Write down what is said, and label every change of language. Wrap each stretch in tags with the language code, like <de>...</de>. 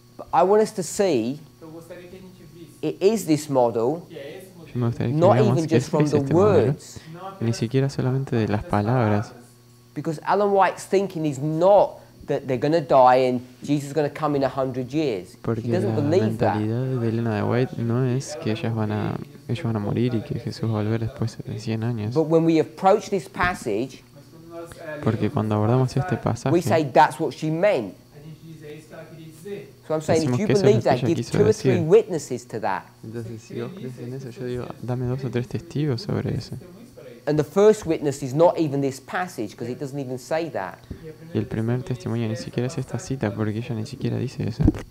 <en>But I want us to see it is this model, not even just from the words,</en> <es>ni siquiera solamente de las palabras.</es> <en>Because Ellen White's thinking is not that they're going to die and Jesus is going to come in 100 years.</en> <es>Porque</es> <en>he doesn't believe that.</en> <es>La mentalidad de Ellen White no es que ellos van a morir y que Jesús va a volver después de 100 años.</es> <en>But when we approach this passage,</en> <es>porque cuando abordamos este pasaje,</es> <en>we say that's what she meant. So I'm saying, if you believe that, give two or three witnesses to that.</en> <es>Entonces, si vos crees en eso, yo digo, dame dos o tres testigos sobre eso.</es> <en>And the first witness is not even this passage, because it doesn't even say that.</en> <es>Y el primer testimonio ni siquiera es esta cita, porque ella ni siquiera dice eso.</es>